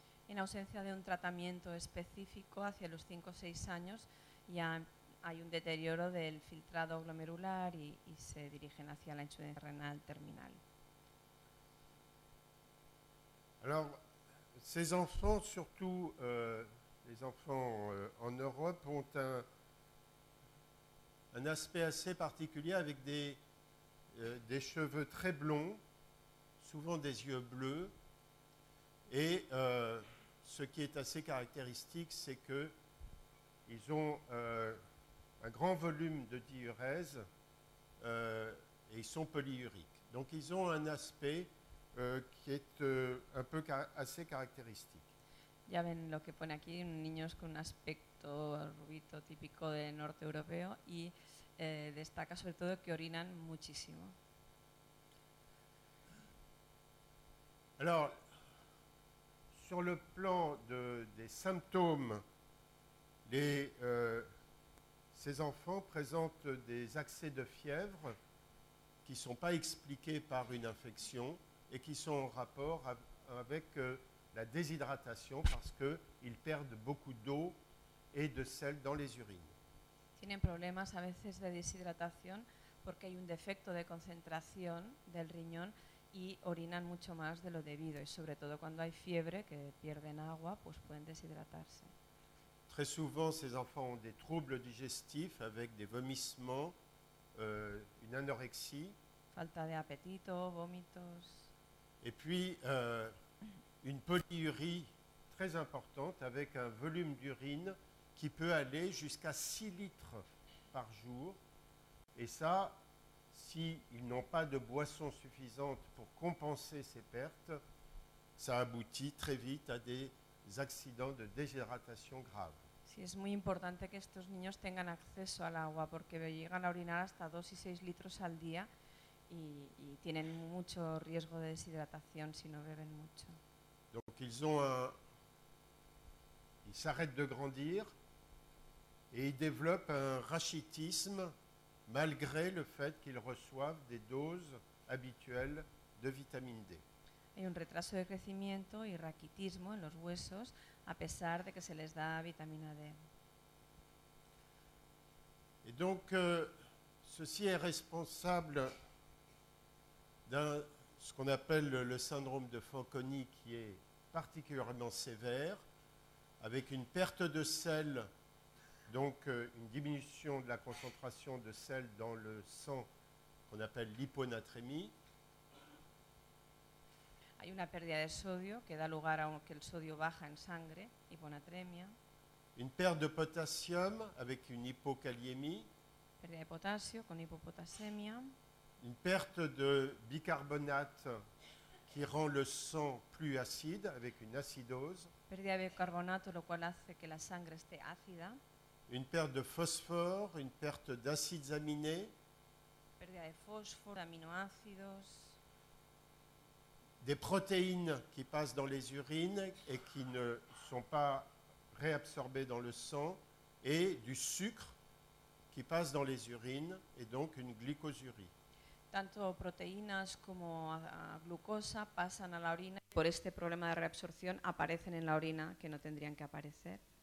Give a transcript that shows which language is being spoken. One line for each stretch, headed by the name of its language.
Spanish: En ausencia de un tratamiento específico hacia los 5 o 6 años, ya hay un deterioro del filtrado glomerular y se dirigen hacia la insuficiencia renal terminal.
French: Alors, ces enfants, surtout les enfants en Europe, ont un aspect assez particulier avec des cheveux très blonds, souvent des yeux bleus, et ce qui est assez caractéristique, c'est qu'ils ont un grand volume de diurèse et ils sont polyuriques. Donc, ils ont un aspect qui est un peu assez caractéristique.
Spanish: Ya ven lo que pone aquí, niños con un aspecto rubito típico de norte europeo y destaca sobre todo que orinan muchísimo.
French: Alors, sur le plan des symptômes, ces enfants présentent des accès de fièvre qui ne sont pas expliqués par une infection et qui sont en rapport avec la déshydratation parce qu'ils perdent beaucoup d'eau et de sel dans les urines.
Spanish: Tienen problemas a veces de deshidratación porque hay un defecto de concentración del riñón. Y orinan mucho más de lo debido, y sobre todo cuando hay fiebre, que pierden agua, pues pueden deshidratarse.
French: Très souvent, ces enfants ont des troubles digestifs avec des vomissements, une anorexie.
Spanish: Falta de apetito, vómitos.
French: Et puis, une polyurie très importante avec un volume d'urine qui peut aller jusqu'à 6 litres par jour. Et ça, s'ils n'ont pas de boisson suffisante pour compenser ces pertes, ça aboutit très vite à des accidents de déshydratation grave.
Spanish: Sí, es muy importante que estos niños tengan acceso al agua porque llegan a orinar hasta 2 y 6 litros al día y tienen mucho riesgo de deshidratación si no beben mucho.
French: Donc ils s'arrêtent de grandir et ils développent un rachitisme malgré le fait qu'ils reçoivent des doses habituelles de vitamine D.
Spanish: Hay un retraso de crecimiento y raquitismo en los huesos a pesar de que se les da vitamina D.
French: Et donc, ceci est responsable d'un ce qu'on appelle le syndrome de Fanconi qui est particulièrement sévère, avec une perte de sel. Donc, une diminution de la concentration de sel dans le sang qu'on appelle l'hyponatrémie.
Spanish: Hay una pérdida de sodio que da lugar a que el sodio baja en sangre, hiponatremia.
French: Une perte de potassium avec une hypokaliémie.
Spanish: Pérdida de potasio con hipopotasemia.
French: Une perte de bicarbonate qui rend le sang plus acide avec une acidose.
Spanish: Pérdida de bicarbonato, lo cual hace que la sangre esté ácida.
French: Une perte de phosphore, une perte d'acides aminés.
Spanish: Pérdida de fósforo, aminoácidos.
French: Des protéines qui passent dans les urines et qui ne sont pas réabsorbées dans le sang. Et du sucre qui passe dans les urines et donc une glycosurie.
Spanish: Tanto proteínas como glucosa pasan a la orina. Por este problema de reabsorción aparecen en la orina que no tendrían que aparecer.